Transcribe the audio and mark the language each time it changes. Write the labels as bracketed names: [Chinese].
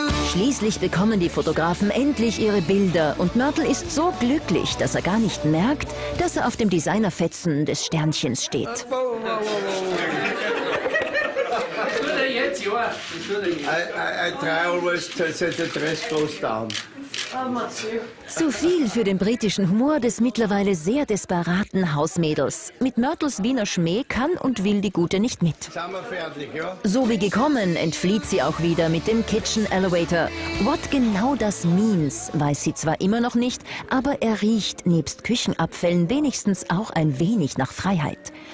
[German] Schließlich bekommen die Fotografen endlich ihre Bilder und Mörtel ist so glücklich, dass er gar nicht merkt, dass er auf dem Designerfetzen des Sternchens steht. [English] I try always to say the dress goes down. [German] Zu viel für den britischen Humor des mittlerweile sehr desperaten Hausmädels. Mit Myrtles Wiener Schmäh kann und will die Gute nicht mit. So wie gekommen, entflieht sie auch wieder mit dem Kitchen Elevator. [English] What [German] genau das [English] means, [German] weiß sie zwar immer noch nicht, aber er riecht nebst Küchenabfällen wenigstens auch ein wenig nach Freiheit.